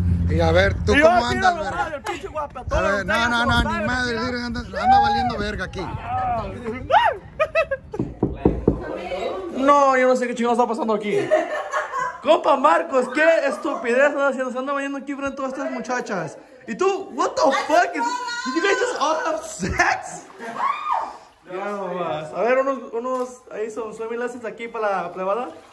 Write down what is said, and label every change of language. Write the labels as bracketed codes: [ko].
[es] Y a ver, ¿tú cómo andas, verga? Madre, pinche guapa, a ver, no, ni madre, mira, anda valiendo verga aquí. No, yo no sé qué chingados está pasando aquí. Compa Marcos, qué estupidez están haciendo, se anda valiendo aquí frente a todas estas muchachas. Y tú, [en] what the fuck, did you guys just all have sex? [es] Ya no más. A ver, unos, ahí son swimming lessons aquí para la plebada.